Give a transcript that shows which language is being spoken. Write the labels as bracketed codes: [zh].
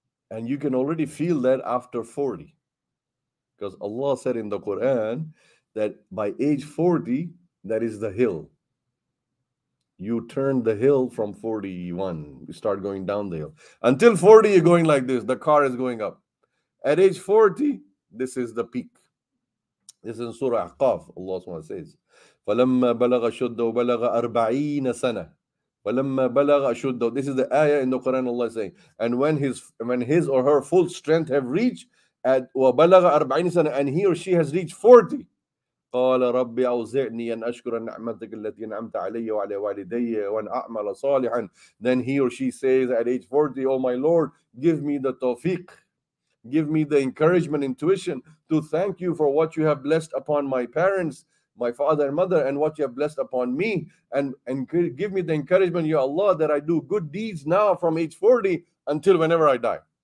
[en] And you can already feel that after 40. Because Allah said in the Quran that by age 40, that is the hill. You turn the hill from 41. You start going down the hill. Until 40, you're going like this. The car is going up. At age 40, this is the peak. This is in Surah Ahqaf. [ar] Allah says, فَلَمَّا بَلَغَ شُدَّهُ بَلَغَ أَرْبَعِينَ سَنَةً فَلَمَّا بَلَغَ شُدَّهُ. [en] This is the ayah in the Quran, Allah is saying. And when his or her full strength have reached, at [ar] وَبَلَغَ أَرْبَعِينَ سَنَةً, [en] and he or she has reached 40, [ar] قال ربي أوزعني أن أشكر نعمتك التي نعمت علي وعلى والدي وأن أعمل صالحا. [en] Then he or she says at age 40, oh my Lord, give me the tawfiq, give me the encouragement, intuition to thank you for what you have blessed upon my parents, my father and mother, and what you have blessed upon me, and give me the encouragement, ya Allah, that I do good deeds now from age 40 until whenever I die.